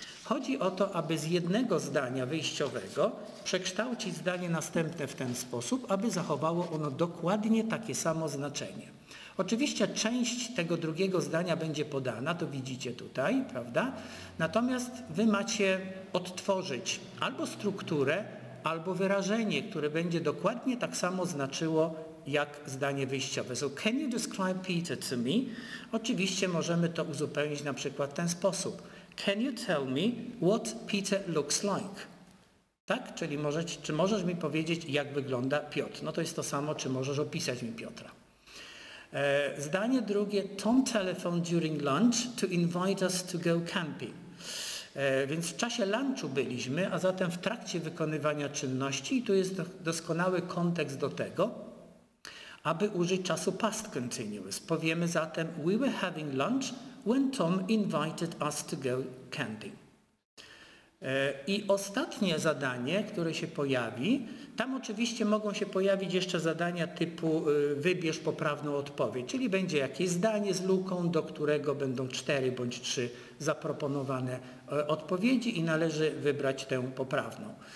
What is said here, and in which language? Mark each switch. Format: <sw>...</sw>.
<pl>Chodzi o to, aby z jednego zdania wyjściowego przekształcić zdanie następne w ten sposób, aby zachowało ono dokładnie takie samo znaczenie. Oczywiście część tego drugiego zdania będzie podana, to widzicie tutaj, prawda? Natomiast wy macie odtworzyć albo strukturę, albo wyrażenie, które będzie dokładnie tak samo znaczyło jak zdanie wyjściowe.</pl> <en>So, can you describe Peter to me?</en> <pl>Oczywiście możemy to uzupełnić na przykład w ten sposób.</pl> <en>Can you tell me what Peter looks like?</en> <pl>Tak? Czyli czy możesz mi powiedzieć, jak wygląda Piotr? No to jest to samo, czy możesz opisać mi Piotra. Zdanie drugie.</pl> <en>Tom telephoned during lunch to invite us to go camping.</en> <pl>Więc w czasie lunchu byliśmy, a zatem w trakcie wykonywania czynności i tu jest doskonały kontekst do tego, aby użyć czasu past continuous. Powiemy zatem,</pl> <en>we were having lunch when Tom invited us to go camping.</en> <pl>I ostatnie zadanie, które się pojawi, tam oczywiście mogą się pojawić jeszcze zadania typu wybierz poprawną odpowiedź, czyli będzie jakieś zdanie z luką, do którego będą 4 bądź 3 zaproponowane odpowiedzi i należy wybrać tę poprawną.</pl>